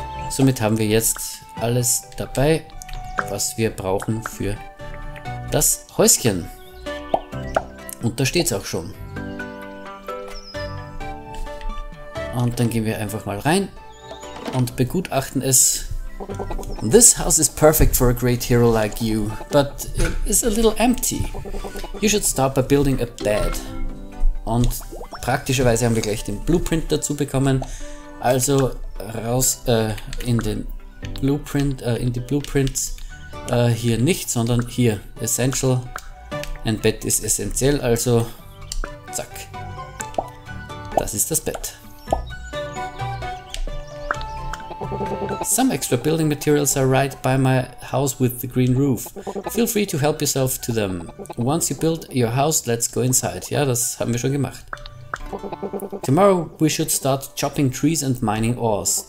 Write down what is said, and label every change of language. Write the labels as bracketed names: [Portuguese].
[German] Somit haben wir jetzt alles dabei, was wir brauchen für das Häuschen. Und da steht es auch schon. Und dann gehen wir einfach mal rein und begutachten es. [English] This house is perfect for a great hero like you, but it is a little empty. You should start by building a bed. [German] Und praktischerweise haben wir gleich den Blueprint dazu bekommen. Also raus in den Blueprint, in die Blueprints, hier nicht, sondern hier, Essential, ein Bett ist essentiell, also, zack, das ist das Bett. [English] Some extra building materials are right by my house with the green roof. Feel free to help yourself to them. Once you build your house, let's go inside. [German] Ja, das haben wir schon gemacht. [English] Tomorrow we should start chopping trees and mining ores.